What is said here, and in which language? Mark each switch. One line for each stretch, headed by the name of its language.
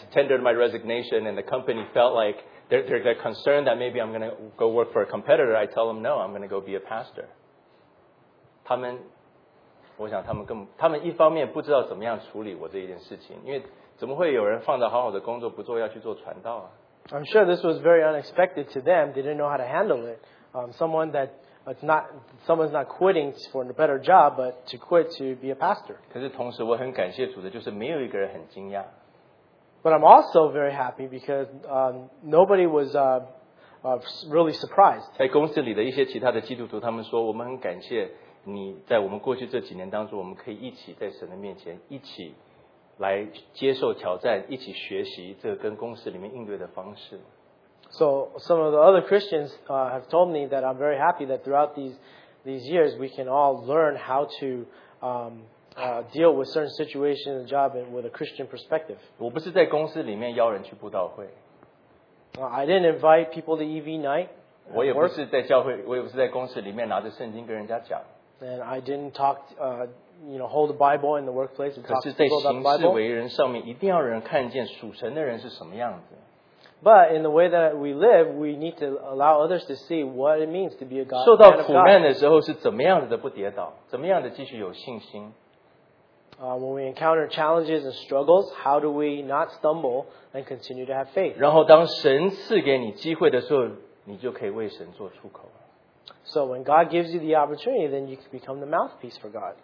English: tendered my resignation and the company felt like they're concerned that maybe I'm going to go work for a competitor, I tell them no, I'm going to go be a pastor.
Chinese: 他们，我想他们根本，他们一方面不知道怎么样处理我这一件事情，因为怎么会有人放着好好的工作不做，要去做传道啊
English: ？I'm sure this was very unexpected to them. They didn't know how to handle it. Someone that someone's not quitting for a better job, but to quit to be a pastor.
Chinese: 可是同时，我很感谢主的，就是没有一个人很惊讶。
English: But I'm also very happy because nobody was really surprised.
Chinese: 在公司里的一些其他的基督徒，他们说我们很感谢你在我们过去这几年当中，我们可以一起在神的面前一起来接受挑战，一起学习这个跟公司里面应对的方式。
English: So some of the other Christians have told me that I'm very happy that throughout these years we can all learn how to deal with certain situations in the job and with a Christian perspective.
Chinese: 我不是在公司里面邀人去布道会。
English: I didn't invite people to EV night.
Chinese: 我也不是在教会，我也不是在公司里面拿着圣经跟人家讲。
English: And I didn't talk you know, hold the Bible in the workplace and talk to people about the Bible.
Chinese: 可是在行事为人上面，一定要让人看见属神的人是什么样子。
English: But in the way that we live, we need to allow others to see what it means to be a God.
Chinese: 受到苦难的时候是怎么样子的不跌倒，怎么样的继续有信心。
English: When we encounter challenges and struggles, how do we not stumble and continue to have faith?
Chinese: 然后当神赐给你机会的时候，你就可以为神做出口。 So when God gives you the opportunity, then you can become the mouthpiece for God.